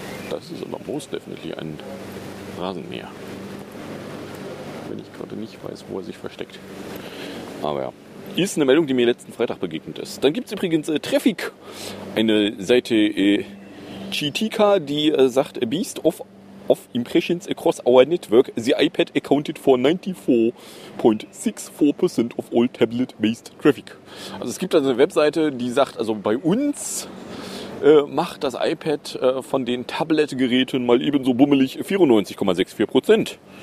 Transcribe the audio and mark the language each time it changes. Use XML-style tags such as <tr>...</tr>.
<de>Das ist aber</de> <en>most definitely</en> <de>ein Rasenmäher. Wenn ich gerade nicht weiß, wo er sich versteckt. Aber ja. Ist eine Meldung, die mir letzten Freitag begegnet ist. Dann gibt es übrigens Traffic. Eine Seite Chitika, die sagt,</de> <en>Beast of Impressions across our network. The iPad accounted for 94.64% of all tablet-based traffic.</en> <de>Also es gibt also eine Webseite, die sagt, also bei uns macht das iPad von den Tablet-Geräten mal ebenso bummelig 94.64%.</de>